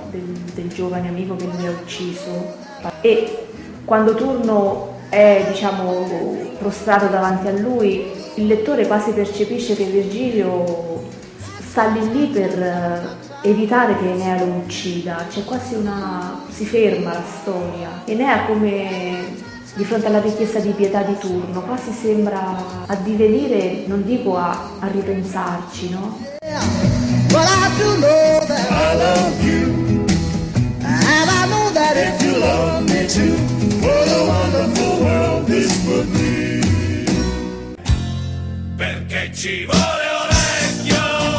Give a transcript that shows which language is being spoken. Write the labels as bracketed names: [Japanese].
[Italian] del giovane amico che lui ha ucciso. E quando Turno è, diciamo, prostrato davanti a lui, il lettore quasi percepisce che Virgilio sta lì per evitare che Enea lo uccida. C'è quasi una, si ferma la storia. Enea, come di fronte alla richiesta di pietà di Turno, quasi sembra addivenire, non dico a ripensarci, no? [English] Yeah, but I do know. love you. And I know that if you love me too, what a wonderful world this would be. [Italian] Perché ci vuole orecchio?